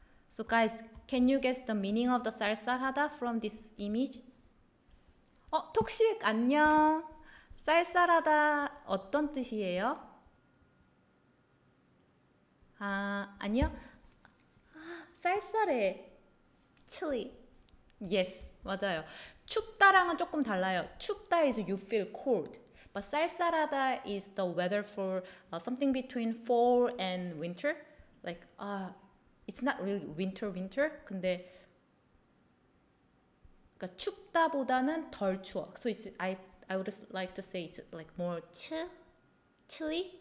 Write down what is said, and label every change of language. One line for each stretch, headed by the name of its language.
English: So, guys, can you guess the meaning of the 쌀쌀하다 from this image?
Korean: 톡식, 안녕. 쌀쌀하다, 어떤 뜻이에요? 아, 아니요. 쌀쌀해.
English: Chilly. Yes,
Korean: 맞아요. 춥다랑은 조금 달라요. 춥다
English: is you feel cold. But 쌀쌀하다 is the weather for something between fall and winter. Like, it's not really winter.
Korean: 근데, 그러니까 춥다보다는 덜 추워.
English: So it's, I would like to say it's like more chilly.